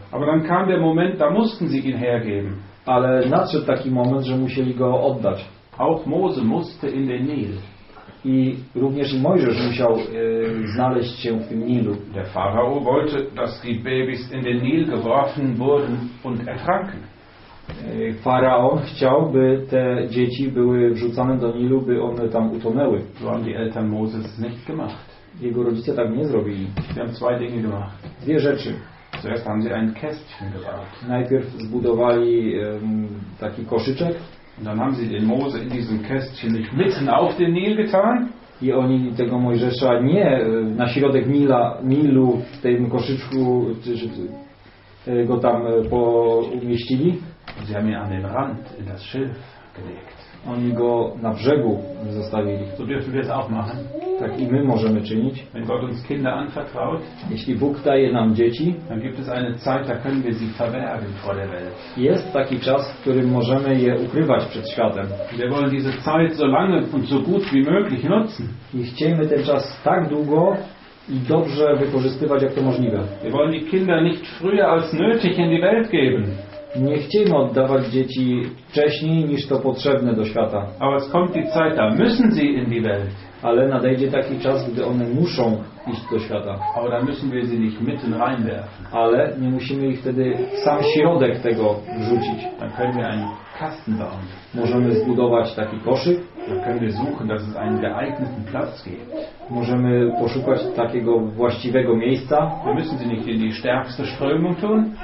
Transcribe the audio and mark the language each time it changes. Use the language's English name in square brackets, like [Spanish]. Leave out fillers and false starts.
[German] Aber dann kam der Moment, da mussten sie ihn hergeben. [Polish] Ale nadszedł taki moment, że musieli go oddać. [German] Auch Mose musste in den Nil. [Polish] I również i Mojżesz musiał znaleźć się w tym Nilu. [German] Der Pharao wollte, dass die Babys in den Nil geworfen wurden und ertranken. [Polish] Faraon chciał, by te dzieci były wrzucane do Nilu, by one tam utonęły. [German] So haben die Eltern Moses nicht gemacht. [Polish] Jego rodzice tak nie zrobili. [German] Sie haben zwei Dinge gemacht. [Polish] Dwie rzeczy. [German] Zuerst haben sie ein Kästchen gebaut. [Polish] Najpierw zbudowali taki koszyczek. [German] Und dann haben sie den Mose in diesem Kästchen nicht mitten auf den Nil getan. [Polish] I oni tego Mojżesza nie na środek Nila, Nilu w tym koszyczku go tam poumieścili. [German] Sie haben ihn an den Rand in das Schilf gelegt. [Polish] Oni go na brzegu zostawili. [German] So dürfen wir es auch machen. [Polish] Tak i my możemy czynić. [German] Wenn Gott uns Kinder anvertraut, [Polish] jeśli Bóg daje nam dzieci, [German] dann gibt es eine Zeit, da können wir sie verbergen vor der Welt. [Polish] Jest taki czas, w którym możemy je ukrywać przed światem. [German] Wir wollen diese Zeit so lange und so gut wie möglich nutzen. [Polish] I chcemy ten czas tak długo i dobrze wykorzystywać, jak to możliwe. [German] Wir wollen die Kinder nicht früher als nötig in die Welt geben. [Polish] Nie chcemy oddawać dzieci wcześniej niż to potrzebne do świata. [German] Aber es kommt die Zeit, da müssen sie in die Welt. [Polish] Ale nadejdzie taki czas, gdy one muszą iść do świata. [German] Aber da müssen wir sie nicht mitten reinwerfen. [Polish] Ale nie musimy ich wtedy w sam środek tego wrzucić. [German] Dann können wir einen Kasten bauen. [Polish] Możemy zbudować taki koszyk. [German] Dann können wir suchen, dass es einen geeigneten Platz gibt. [Polish] Możemy poszukać takiego właściwego miejsca. [German] Wir müssen sie nicht in die stärkste Strömung tun.